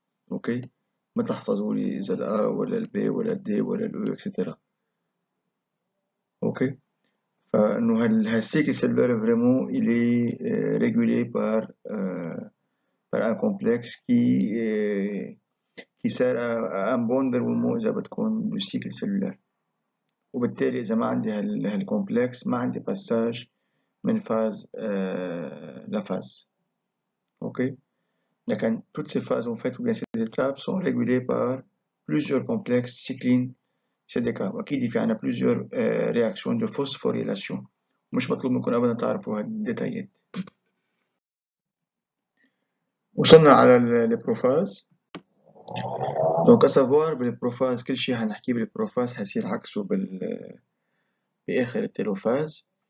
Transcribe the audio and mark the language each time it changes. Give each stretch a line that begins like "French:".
French: Ok, matafazo les A, ou B, ou D, ou E, etc. Ok. Nous, le cycle cellulaire vraiment, il est régulé par un complexe qui sert à un bon déroulement du cycle cellulaire.
Arabic: وبالتالي إذا ما عندي هالكومبلكس ما عندي باساج من فاز لفاز. أوكي، لكن
French: toutes ces phases en fait ou bien ces étapes sont régulées par plusieurs complexes cyclines CDK.
Arabic: وأكيد في عنا
French: plusieurs réactions de phosphorylation.
Arabic: مش مطلوب منكم أبدا تعرفوا هالديتايات. وصلنا على البروفاز.
French: دونك اسافوار
Arabic: بالبروفاز كل شيء حنحكي بالبروفاز حيصير عكسه باخر التلوفاز.